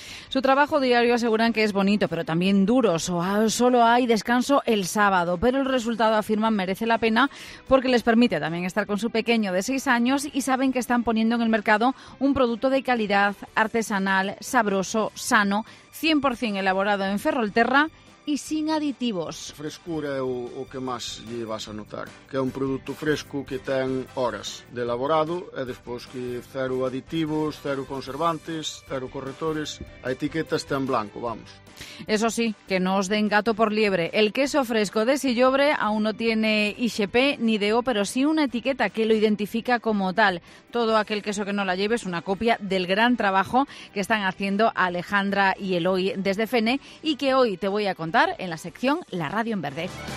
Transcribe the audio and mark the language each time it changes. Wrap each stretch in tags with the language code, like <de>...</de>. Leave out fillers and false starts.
<es>Su trabajo diario aseguran que es bonito, pero también duro. Solo hay descanso el sábado, pero el resultado, afirman, merece la pena porque les permite también estar con su pequeño de 6 años y saben que están poniendo en el mercado un producto de calidad, artesanal, sabroso, sano, 100% elaborado en Ferrolterra y sin aditivos.</es> <gl>Frescura é o que máis lle vas a notar, que é un produto fresco que ten horas de elaborado e despois que cero aditivos, cero conservantes, cero corretores, a etiqueta está en blanco, vamos.</gl> <es>Eso sí, que no os den gato por liebre. El queso fresco de Sillobre aún no tiene IGP ni DO, pero sí una etiqueta que lo identifica como tal. Todo aquel queso que no la lleve es una copia del gran trabajo que están haciendo Alejandra y Eloy desde Fene y que hoy te voy a contar en la sección La Radio en Verde.</es>